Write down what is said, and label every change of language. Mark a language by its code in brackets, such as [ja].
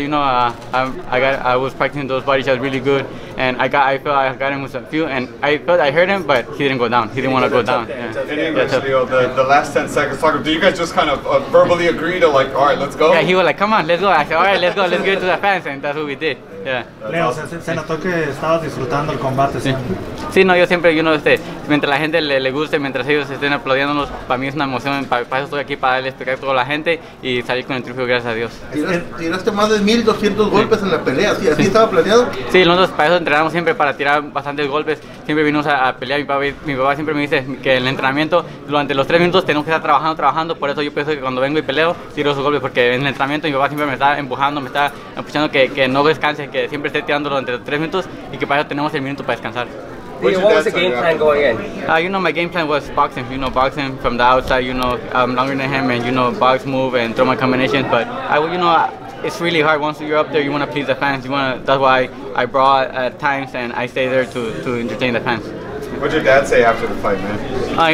[en] Yeah, you know, I was practicing those body shots really good. And I got him with a few. And I felt I hurt him, but he didn't go down. He didn't want to go down. Yeah. In English, Leo, the last 10 seconds, do you guys just kind of verbally agree to, like, all right, let's go? Yeah, he was like, come on, let's go. I said, all right, let's go. Let's get to the fans. And that's what we did. Yeah. [es] Leo, se notó que estabas disfrutando el combate, ¿sí? Sí, no, yo siempre, you know, mientras la gente le guste, mientras ellos estén aplaudiéndonos, para mí es una emoción, para eso estoy aquí, para darle espectáculo a toda la gente y salir con el triunfo, gracias a Dios. Tiraste más de 1,200 golpes, sí, en la pelea, ¿sí? ¿Así estaba planeado? Sí, nosotros para eso entrenamos siempre, para tirar bastantes golpes, siempre vinimos a pelear. Mi papá siempre me dice que el entrenamiento, durante los 3 minutos tenemos que estar trabajando, por eso yo pienso que cuando vengo y peleo, tiro esos golpes, porque en el entrenamiento mi papá siempre me está empujando, me está escuchando que no descanse, que siempre esté tirándolo entre 3 minutos y que para eso tenemos el minuto para descansar. [en] What was the game plan going in? You know, my game plan was boxing. You know, boxing from the outside, you know, I'm longer than him, and, you know, box move and throw my combinations. But, it's really hard. Once you're up there, you want to please the fans. That's why I brought at times and I stay there to entertain the fans. What did your dad say after the fight, man?